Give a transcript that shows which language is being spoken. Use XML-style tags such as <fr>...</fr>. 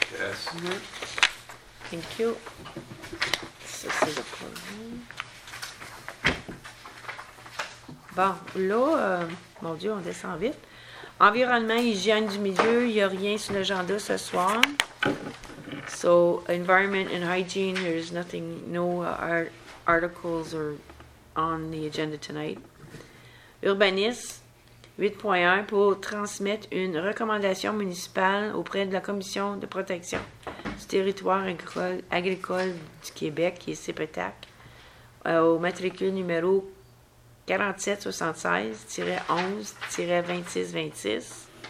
<en>Yes. Mm-hmm. Thank you.</en> <fr>Ça, c'est le problème. Bon, là, mon Dieu, on descend vite. Environnement, hygiène du milieu, il n'y a rien sur l'agenda ce soir.</fr> <en>So, environment and hygiene, there's nothing, no articles or on the agenda tonight.</en> <fr>Urbanisme, 8.1, pour transmettre une recommandation municipale auprès de la Commission de protection du territoire agricole du Québec, qui est CEPETAC, au matricule numéro 4776-11-2626.</fr>